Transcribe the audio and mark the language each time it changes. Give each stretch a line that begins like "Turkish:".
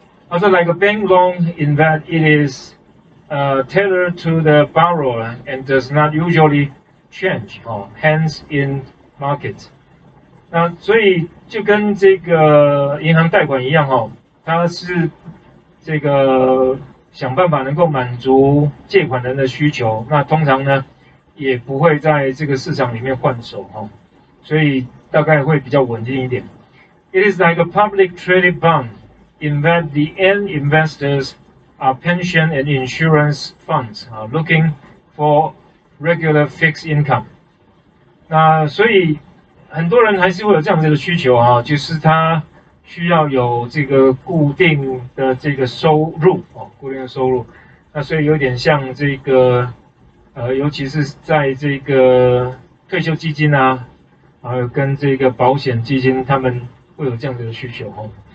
English: Also, like a bank loan in that it is tailored to the borrower and does not usually change 哦，hence in market。
Chinese: 那所以就跟这个银行贷款一样哦，它是。这个想办法能够满足借款人的需求，那通常呢也不会在这个市场里面换手哦，所以大概会比较稳定一点。
English: It is like a public traded bond in that the end investors are pension and insurance funds are looking for regular fixed income。
Chinese: 那所以很多人还是会有这样子的需求哈，就是他。需要有这个固定的这个收入哦，固定的收入，那所以有点像这个，尤其是在这个退休基金啊，还有跟这个保险基金，他们会有这样子的需求哦。